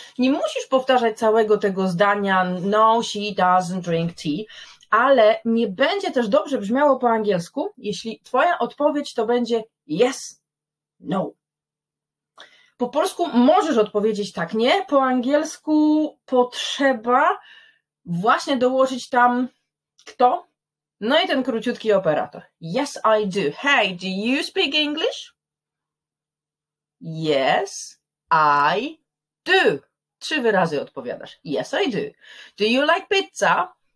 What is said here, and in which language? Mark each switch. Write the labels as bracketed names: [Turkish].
[Polish] Nie musisz powtarzać całego tego zdania no, [English] she doesn't drink tea, [Polish] ale nie będzie też dobrze brzmiało po angielsku, jeśli twoja odpowiedź to będzie [English] yes, no. [Polish] Po polsku możesz odpowiedzieć tak, nie? Po angielsku potrzeba właśnie dołożyć tam kto? No i ten króciutki operator. [English] Yes, I do. Hey, do you speak English? Yes. I do. [Polish] Trzy wyrazy odpowiadasz. [English] Yes, I do. Do you like pizza?